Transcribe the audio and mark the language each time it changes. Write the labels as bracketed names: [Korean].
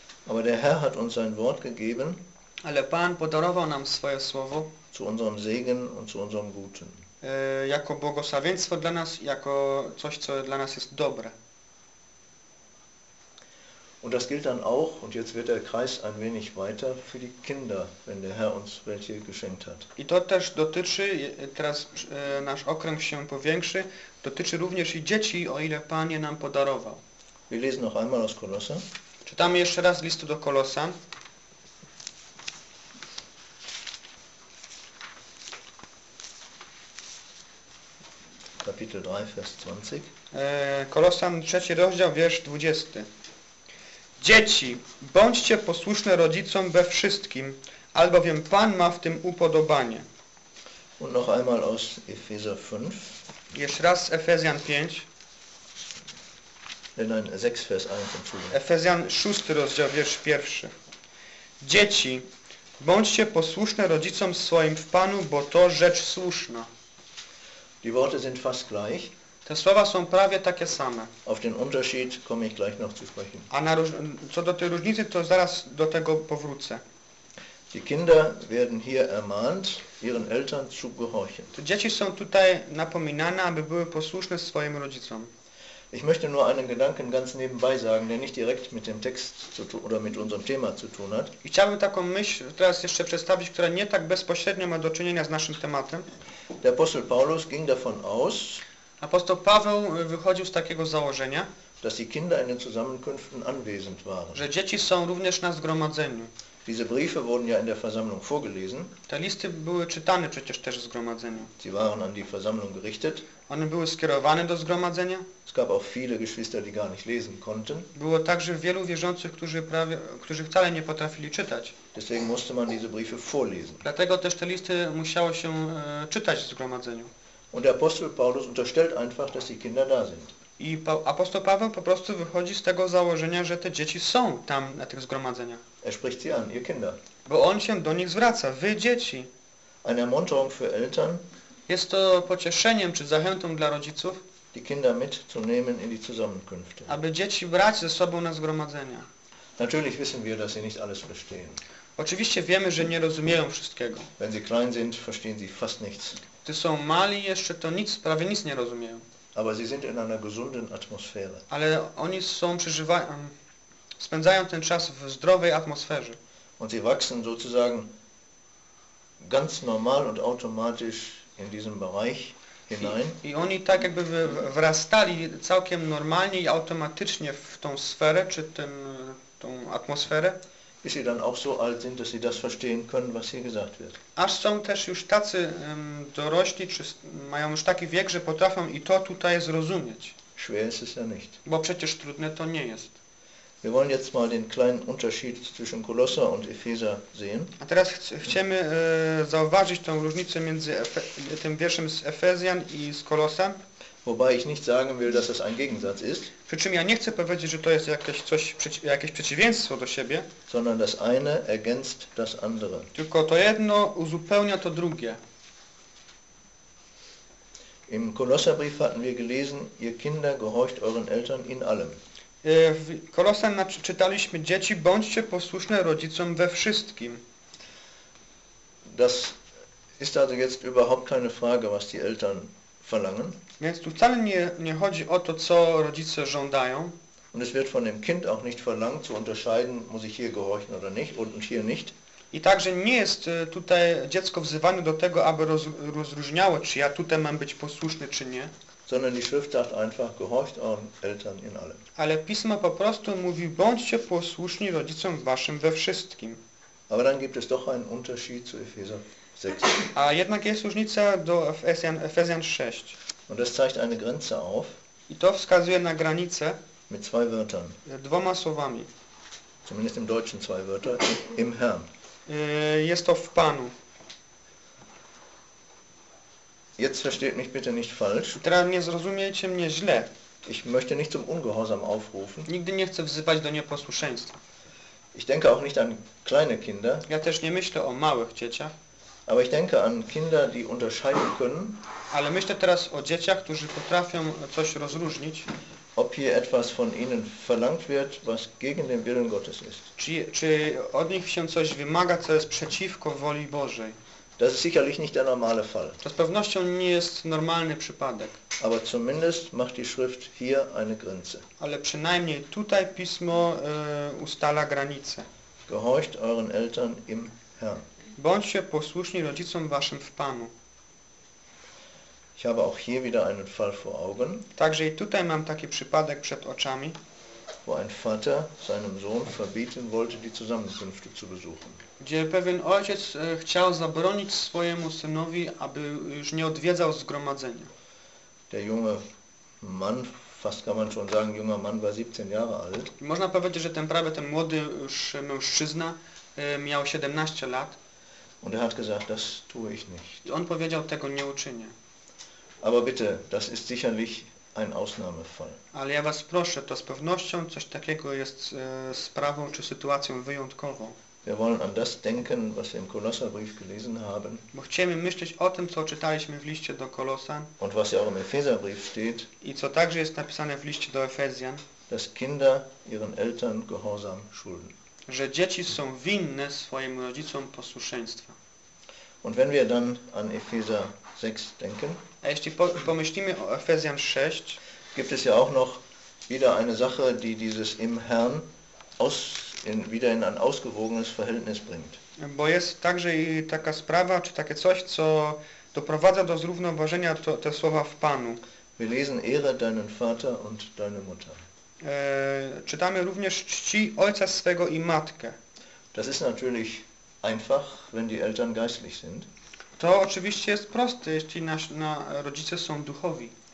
[German] Aber der Herr hat uns sein Wort gegeben. [Polish] Ale Pan podarował nam swoje słowo. [German] Zu unserem Segen und zu unserem Guten. [Polish] Jako błogosławieństwo dla nas, jako coś, co dla nas jest dobre. [German] Und das gilt dann auch, und jetzt wird der Kreis ein wenig weiter, für die Kinder, wenn der Herr uns welche geschenkt hat. [Polish] I to też dotyczy, teraz nasz okręg się powiększy, dotyczy również i dzieci, o ile Pan je nam podarował. [German] Wir lesen noch einmal aus Kolosa. [Polish] Czytamy jeszcze raz listu do Kolosa. [German] Kapitel 3, Vers 20. [Polish] Kolosan, trzeci rozdział, wiersz 20. Dzieci, bądźcie posłuszne rodzicom we wszystkim, albowiem Pan ma w tym upodobanie. [German] Und noch einmal aus Epheser 5. [Polish] Jeszcze raz Efezjan 5. [German] Nein, 6, Vers 1. [Polish] Efezjan 6, rozdział, wiersz 1. Dzieci, bądźcie posłuszne rodzicom swoim w Panu, bo to rzecz słuszna. [German] Die Worte sind fast gleich. [Polish] Te słowa są prawie takie same. [German] Auf den Unterschied komme ich gleich noch zu sprechen. [Polish] A na co do tej różnicy, to zaraz do tego powrócę. [German] Die Kinder werden hier ermahnt, ihren Eltern zu gehorchen. [Polish] Te dzieci są tutaj napominane, aby były posłuszne swoim rodzicom. [German] Ich möchte nur einen Gedanken ganz nebenbei sagen, der nicht direkt mit dem Text zu tun oder mit unserem Thema zu tun hat. [Polish] Ich chciałbym taką myśl teraz jeszcze przedstawić, która nie tak bezpośrednio ma do czynienia z naszym tematem. [German] Der Apostel Paulus ging davon aus. [Polish] Apostoł Paweł wychodził z takiego założenia, [German] dass die Kinder in den Zusammenkünften anwesend waren. [Polish] Że dzieci są również na zgromadzeniu. [German] Diese Briefe wurden ja in der Versammlung vorgelesen. [Polish] Te listy były czytane przecież też w zgromadzeniu. [German] Sie waren an die Versammlung gerichtet. [Polish] One były skierowane do zgromadzenia. [German] Es gab auch viele Geschwister, die gar nicht lesen konnten. [Polish] Było także wielu wierzących, którzy wcale nie potrafili czytać. [German] Deswegen musste man diese Briefe vorlesen. [Polish] Dlatego też te listy musiało się czytać w zgromadzeniu. [German] Und der Apostel Paulus unterstellt einfach, dass die Kinder da sind. [Polish] I apostoł Paweł po prostu wychodzi z tego założenia, że te dzieci są tam na tych zgromadzeniach. [German] Er spricht sie an, ihr Kinder. [Polish] Bo on się do nich zwraca, wy dzieci. [German] Eine Ermunterung für Eltern. [Polish] Jest to pocieszeniem czy zachętą dla rodziców. [German] Die Kinder mitzunehmen in die Zusammenkünfte. [Polish] Aby dzieci brać ze sobą na zgromadzenia. [German] Natürlich wissen wir, dass sie nicht alles verstehen. [Polish] Oczywiście wiemy, że nie rozumieją wszystkiego. [German] Wenn sie klein sind, verstehen sie fast nichts. [Polish] Gdy są mali jeszcze, to nic, prawie nic nie rozumieją. [German] Aber sie sind in einer gesunden Atmosphäre. [Polish] Ale oni są spędzają ten czas w zdrowej atmosferze. [German] Und sie wachsen sozusagen ganz normal und automatisch in diesen Bereich hinein. [Polish] I oni tak jakby wrastali całkiem normalnie i automatycznie w tą sferę czy tą atmosferę. [German] Bis sie dann auch so alt sind, dass sie das verstehen können, was hier gesagt wird. [Polish] Aż są też już tacy dorośli, czy mają już taki wiek, że potrafią i to tutaj zrozumieć. [German] Schwer ist es ja nicht. [Polish] Bo przecież trudne to nie jest. [German] Wir wollen jetzt mal den kleinen Unterschied zwischen Kolosser und Epheser sehen. [Polish] A teraz chcemy zauważyć tą różnicę między tym wierszem z Efezjan i z Kolosem. [German] Wobei ich nicht sagen will, dass das ein Gegensatz ist. [Polish] Przy czym ja nie chcę powiedzieć, że to jest jakieś przeciwieństwo do siebie. [German] Sondern das eine ergänzt das andere. [Polish] Tylko to jedno uzupełnia to drugie. [German] Im Kolosserbrief hatten wir gelesen, ihr Kinder gehorcht euren Eltern in allem. [Polish] W Kolosan czytaliśmy, dzieci, bądźcie posłuszne rodzicom we wszystkim. [German] Das ist also jetzt überhaupt keine Frage, was die Eltern verlangen. [Polish] Więc tu wcale nie chodzi o to, co rodzice żądają. [German] Und es wird von dem Kind auch nicht verlangt, zu unterscheiden, muss ich hier gehorchen oder nicht, und hier nicht. [Polish] I także nie jest tutaj dziecko wzywane do tego, aby rozróżniało, czy ja tutaj mam być posłuszny, czy nie. [German] Sondern die Schrift sagt einfach, gehorcht euren Eltern in allem. [Polish] Ale Pismo po prostu mówi, bądźcie posłuszni rodzicom waszym we wszystkim. [German] Aber dann gibt es doch einen Unterschied zu Epheser 6. [Polish] A jednak jest różnica do Efezjan 6. [German] Und das zeigt eine Grenze auf. [Polish] I to wskazuje na granicę. [German] Mit zwei Wörtern. [Polish] Dwoma słowami. [German] Zumindest im Deutschen zwei Wörter. Im Herrn. [Polish] Jest to w Panu. [German] Jetzt versteht mich bitte nicht falsch. [Polish] Teraz nie zrozumiecie mnie źle. [German] Ich möchte nicht zum Ungehorsam aufrufen. [Polish] Nigdy nie chcę wzywać do nieposłuszeństwa. [German] Ich denke auch nicht an kleine Kinder. [Polish] Ja też nie myślę o małych dzieciach. [German] Aber ich denke an Kinder, die unterscheiden können. [Polish] Ale myślę teraz o dzieciach, którzy potrafią coś rozróżnić. [German] Ob hier etwas von ihnen verlangt wird, was gegen den Willen Gottes ist. [Polish] Czy od nich się coś wymaga, co jest przeciwko woli Bożej? [German] Das ist sicherlich nicht der normale Fall. [Polish] To z pewnością nie jest normalny przypadek. [German] Aber zumindest macht die Schrift hier eine Grenze. [Polish] Ale przynajmniej tutaj Pismo ustala granice. [German] Gehorcht euren Eltern im Herrn. [Polish] Bądźcie posłuszni rodzicom waszym w Panu. [German] Ich habe auch hier wieder einen Fall vor Augen. [Polish] Także i tutaj mam taki przypadek przed oczami. [German] Wo ein Vater seinem Sohn verbieten wollte, die Zusammenkünfte zu besuchen. [Polish] Gdzie pewien ojciec chciał zabronić swojemu synowi, aby już nie odwiedzał zgromadzenia. [German] Der junge Mann, fast kann man schon sagen, junger Mann war 17 Jahre alt. [Polish] Można powiedzieć, że ten młody już mężczyzna miał 17 lat. [German] Und er hat gesagt, das tue ich nicht. [Polish] I on powiedział, tego nie uczynię. [German] Aber bitte, das ist sicherlich ein Ausnahmefall. [Polish] Ale ja was proszę, to z pewnością coś takiego jest sprawą czy sytuacją wyjątkową. [German] Wir wollen an das denken, was wir im Kolosserbrief gelesen haben. [Polish] Bo chcemy myśleć o tym, co czytaliśmy w liście do Kolosan. [German] Und was ja auch im Epheserbrief steht. [Polish] I co także jest napisane w liście do Efezjan. [German] Dass Kinder ihren Eltern gehorsam schulden. [Polish] Że dzieci są winne swoim rodzicom posłuszeństwa. [German] Und wenn wir dann an Epheser 6 denken. [Polish] A jeśli pomyślimy o Efezjan 6. [German] Gibt es ja auch noch wieder eine Sache, die dieses im Herrn wieder in ein ausgewogenes Verhältnis bringt. [Polish] Bo jest także i taka sprawa, czy takie coś, co doprowadza do zrównoważenia te słowa w Panu. [German] Wir lesen Ehre deinen Vater und deine Mutter. [Polish] Czytamy również czci ojca swego i matkę. [German] Das ist natürlich einfach, wenn die Eltern geistlich sind. [Polish] To oczywiście jest proste, jeśli na rodzice są duchowi.